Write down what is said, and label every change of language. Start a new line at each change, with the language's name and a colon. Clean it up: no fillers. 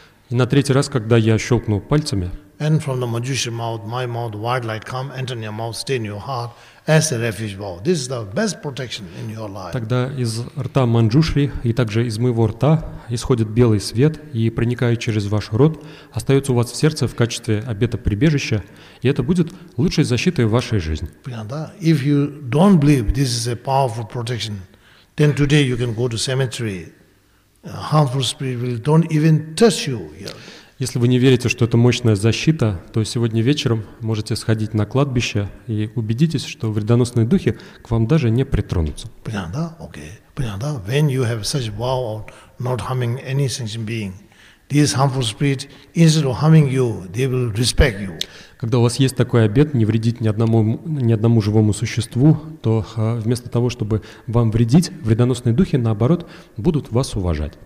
Russian: и на третий раз, когда я щелкну пальцами,
English: and from the Manjushri mouth, my mouth, white light come, enter in your mouth, stay in your heart, as a refuge vow. This is the best protection in your life.
Russian: Тогда из рта Манджушри и также из моего рта исходит белый свет и проникает через ваш рот, остается у вас в сердце в качестве обета прибежища, и это будет лучшей защитой в вашей жизни. Понятно, да?
English: If you don't believe this is a powerful protection, then today you can go to cemetery. A harmful spirit will don't even touch you here.
Russian: Если вы не верите, что это мощная защита, то сегодня вечером можете сходить на кладбище и убедитесь, что вредоносные духи к вам даже не притронутся. Понятно, да? Окей. Понятно, да?
English: When you have such vow of not harming any sentient being, these harmful spirits, instead of harming you, they will respect you.
Russian: Когда у вас есть такой обет не вредить ни одному живому существу, то вместо того, чтобы вам вредить, вредоносные духи, наоборот, будут вас уважать.